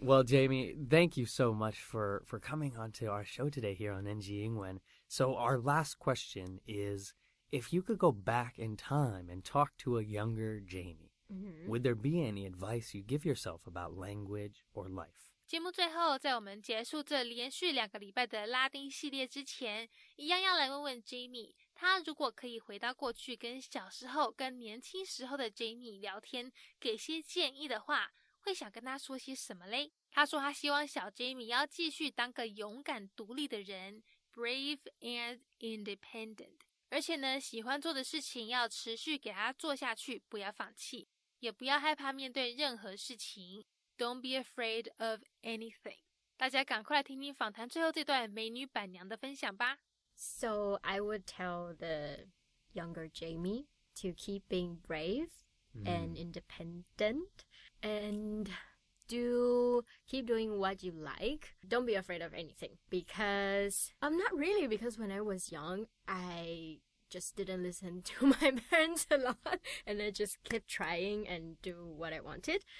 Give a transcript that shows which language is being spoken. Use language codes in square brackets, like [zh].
[en] Well, Jamie, thank you so much for coming onto our show today here on NG 英文. So our last question is... If you could go back in time and talk to a younger Jamie, mm-hmm. would there be any advice you give yourself about language or life? [zh] 节目最后，在我们结束这连续两个礼拜的拉丁系列之前，一样要来问问 Jamie， 他如果可以回到过去跟小时候、跟年轻时候的 Jamie 聊天，给些建议的话，会想跟他说些什么嘞？他说他希望小 Jamie 要继续当个勇敢独立的人 ， [en] brave and independent。 [zh] 而且呢，喜欢做的事情要持续给他做下去，不要放弃，也不要害怕面对任何事情。 [en] Don't be afraid of anything. [zh] 大家赶快来听听访谈最后这段美女板娘的分享吧。 [en] So I would tell the younger Jamie to keep being brave and independent and do keep doing what you like. Don't be afraid of anything because I'm not really because when I was young, I just didn't listen to my parents a lot and I just kept trying and do what I wanted.